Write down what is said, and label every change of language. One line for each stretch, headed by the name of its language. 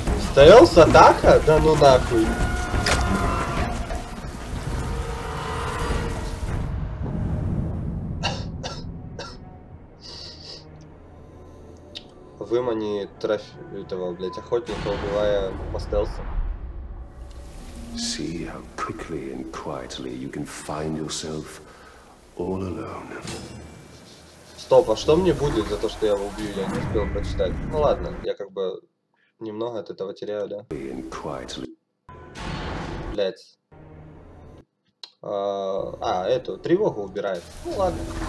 Russian: Стоялся атака? Да ну нахуй. Вымани трофи этого, блять, охотника, убивая по стелсу.
English: See how quickly and quietly you can find yourself all alone.
Russian: Стоп, а что мне будет за то, что я его убью? Я не успел прочитать. Ну ладно, я как бы немного от этого теряю, да? Блять. Эту тревогу убирает. Ну ладно.